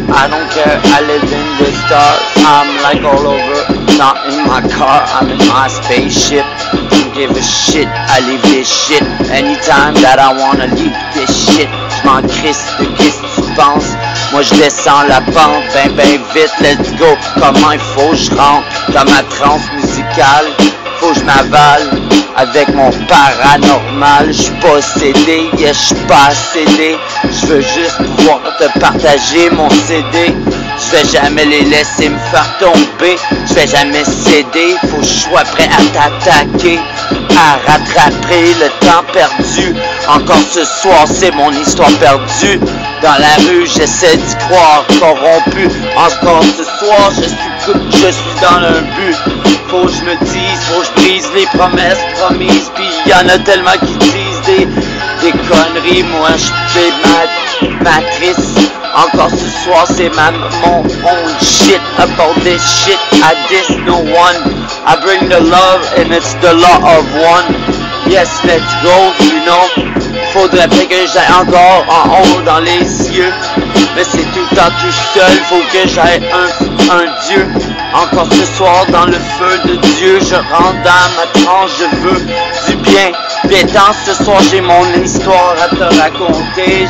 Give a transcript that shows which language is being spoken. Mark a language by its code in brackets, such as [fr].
[en] I don't care, I live in the stars. I'm like all over, not in my car. I'm in my spaceship. Don't give a shit, I leave this shit. Anytime that I wanna leave this shit. [fr] Je m'en crisse de qu'est-ce que tu penses. Moi je descends la pente, ben ben vite, [en] let's go. [fr] Comment il faut que je rentre dans ma transe musicale. Faut que je m'avale avec mon paranormal. J'suis possédé, yeah, j'suis pas cédé. J'veux juste pouvoir te partager mon CD. J'vais jamais les laisser me faire tomber. J'vais jamais céder, faut que j'sois prêt à t'attaquer. À rattraper le temps perdu. Encore ce soir, c'est mon histoire perdue. Dans la rue, j'essaie d'y croire, corrompu. Encore ce soir, je suis dans un but. Faut que je me dise, faut que je brise les promesses promises. Puis y'en a tellement qui disent des conneries. Moi, je fais ma matrice. Encore ce soir, c'est ma mon [en] own shit. About this shit, I diss no one. I bring the love and it's the law of one. Yes, let's go, you know. [fr] Faudrait bien que j'aille encore en haut dans les cieux. Mais c'est tout le temps tout seul, faut que j'aille un dieu. Encore ce soir dans le feu de Dieu. Je rentre dans ma tranche, je veux du bien. Pétant ce soir, j'ai mon histoire à te raconter.